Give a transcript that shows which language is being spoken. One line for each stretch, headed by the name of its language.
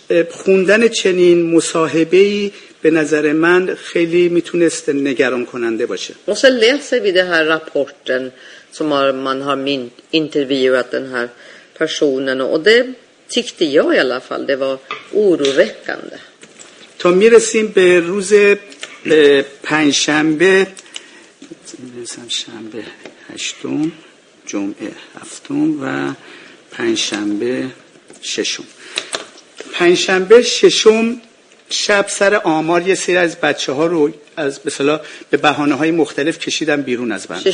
Persian: خوندن چنین مصاحبه‌ای به نظر من خیلی میتونست نگران کننده باشه.
Swedish: Och så läser vi den här rapporten som man har intervjuat den här personen och det tyckte jag i alla fall det var oroväckande.
Persian: تا میرسیم به روز پنجشنبه شنبه هشتم، جمعه هفتم و پنجشنبه ششم. پنجشنبه ششم شب سر آمار یه سری از بچه ها رو از مثلا به بهانه های مختلف کشیدن بیرون از بند.